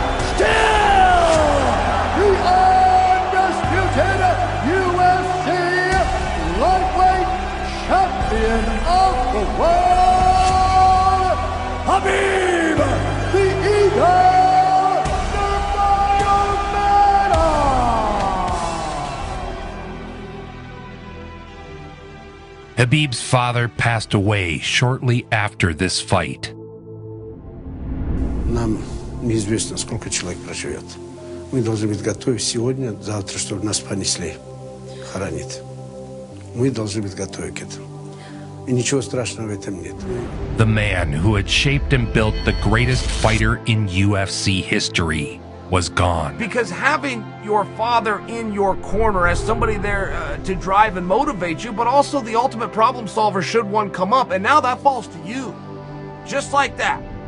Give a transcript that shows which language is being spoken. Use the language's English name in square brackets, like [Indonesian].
[English] Still the undisputed UFC lightweight champion of the world, Khabib the Eagle Nurmagomedov. Khabib's father passed away shortly after this fight. [Russian] Нам неизвестно, сколько человек проживет. Мы должны быть готовы сегодня, завтра, чтобы нас понесли, хоронит. Мы должны быть готовы к этому. И ничего страшного в этом нет. [English] The man who had shaped and built the greatest fighter in UFC history was gone. Because having your father in your corner as somebody there to drive and motivate you, but also the ultimate problem solver should one come up, and now that falls to you. Just like that.